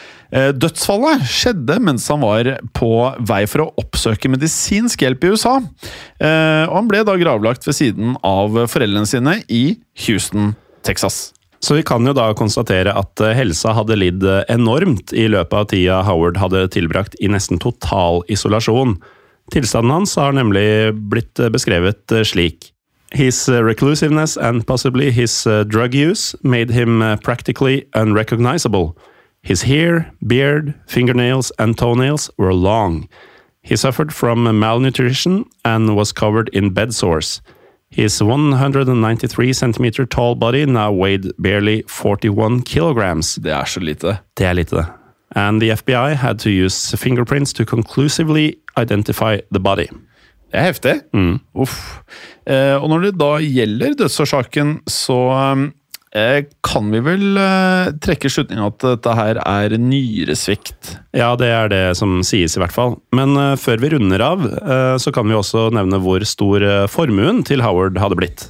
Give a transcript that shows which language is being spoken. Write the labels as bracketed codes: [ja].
[no] Dødsfallet skjedde mens han var på vei for å oppsøke medisinsk hjelp i USA, og han ble da gravlagt ved siden av foreldrene sine i Houston, Texas. Så vi kan jo da konstatere at helsa hadde lidd enormt i løpet av tida Howard hadde tilbrakt i nesten total isolasjon. Tilstanden hans har nemlig blitt beskrevet slik: [en] His reclusiveness and possibly his drug use made him practically unrecognizable. His hair, beard, fingernails, and toenails were long. He suffered from malnutrition and was covered in bed sores. His 193 centimeter tall body now weighed barely 41 kilograms. [no] Det så lite. Det lite. [en] And the FBI had to use fingerprints to conclusively identify the body. [no] Det heftig. Uff. Og når det da gjelder dødsårsaken, så kan vi vel trekke slutningen at dette her er nyresvikt? Ja, det det som sies i hvert fall. Men før vi runder av, så kan vi også nevne hvor stor formuen til Howard hadde blitt.